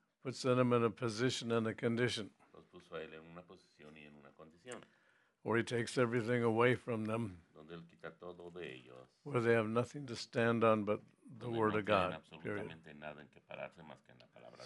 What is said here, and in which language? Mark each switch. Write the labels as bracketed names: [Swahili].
[English] Puts them in a position and a condition. [Spanish] Los puso a él en una posición y en una condición. [English] Where he takes everything away from them. [Spanish] Donde él quita todo de ellos. [English] Where they have nothing to stand on but the [Spanish] donde [English] word [Spanish] no [English] of God. [Spanish] Absolutamente nada en que pararse más que en la palabra de